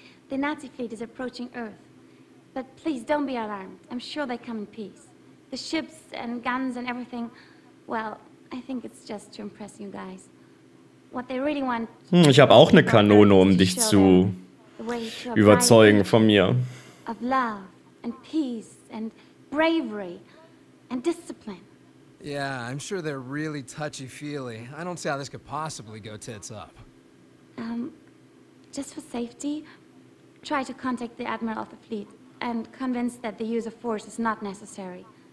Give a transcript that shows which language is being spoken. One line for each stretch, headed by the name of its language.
English: The Nazi fleet is approaching Earth, but please don't be alarmed. I'm sure they come in peace. The ships and guns and everything. Well, I think it's just to impress you guys. What they really want.
German: Ich habe auch eine Kanone, um dich zu überzeugen von mir.
English: Of love and peace and bravery and discipline. Yeah, I'm sure they're really touchy-feely. I don't see how this could possibly go tits up. Just for safety, try to contact the admiral of the fleet and convince that the use of force is not necessary.